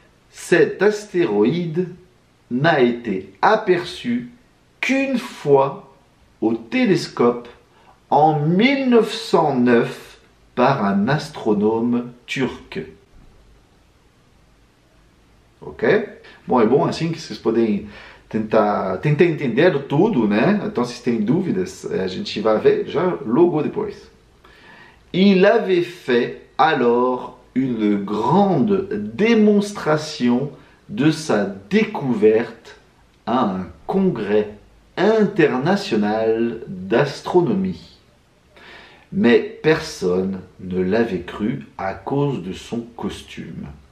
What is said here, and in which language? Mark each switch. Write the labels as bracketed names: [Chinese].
[French] Cet astéroïde n'a été aperçu qu'une fois au télescope en 1909 par un astronome turc. Ok? [Portuguese] Bom, é bom assim que vocês podem tentar entender tudo, né? Então, se tem dúvidas, a gente vai ver já logo depois. [French] Il avait fait alors une grande démonstration de sa découverte à un congrès international d'astronomie. Mais personne ne l'avait cru à cause de son costume.